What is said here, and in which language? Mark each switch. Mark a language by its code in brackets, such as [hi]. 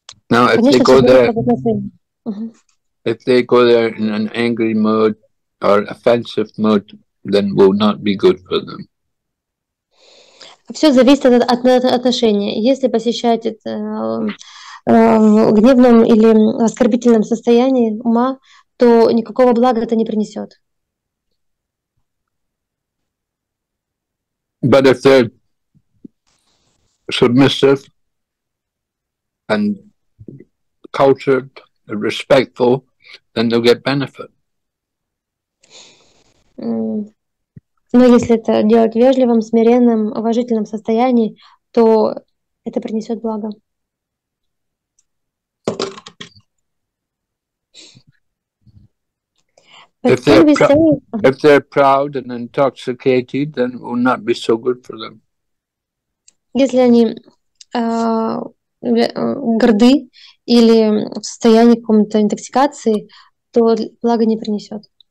[en] Now, if they go there, if they go there in an angry mood or offensive mood, then will not be good for them. [ru] Все зависит от отношения. Если посещать это в гневном или оскорбительном состоянии ума, то никакого блага это не принесет. [en] But if they're submissive and cultured, respectful, then they'll get benefit. [ru] Но если это делать в вежливом, смиренном, уважительном состоянии, то это принесет благо. [en] If they're, if they're proud and intoxicated, then it will not be so good for them. [ru] Если они горды или в состоянии какой-то интоксикации, то благо не принесет.